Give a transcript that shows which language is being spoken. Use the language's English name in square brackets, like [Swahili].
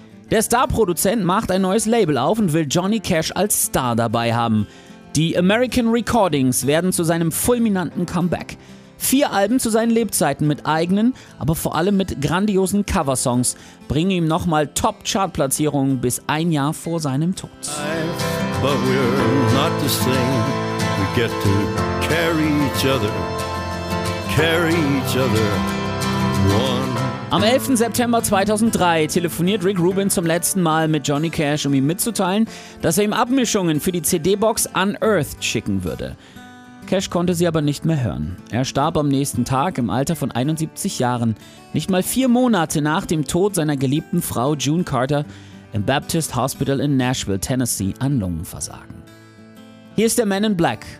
[German] Der Starproduzent macht ein neues Label auf und will Johnny Cash als Star dabei haben. Die American Recordings werden zu seinem fulminanten Comeback. 4 Alben zu seinen Lebzeiten mit eigenen, aber vor allem mit grandiosen Coversongs bringen ihm nochmal Top-Chart-Platzierungen bis 1 Jahr vor seinem Tod. [English] But we're not the same. We get to carry each other. Carry each other. [German] Am 11. September 2003 telefoniert Rick Rubin zum letzten Mal mit Johnny Cash, um ihm mitzuteilen, dass er ihm Abmischungen für die CD-Box Unearthed schicken würde. Cash konnte sie aber nicht mehr hören. Er starb am nächsten Tag im Alter von 71 Jahren, nicht mal 4 Monate nach dem Tod seiner geliebten Frau June Carter, im Baptist Hospital in Nashville, Tennessee, an Lungenversagen. Hier ist der Man in Black.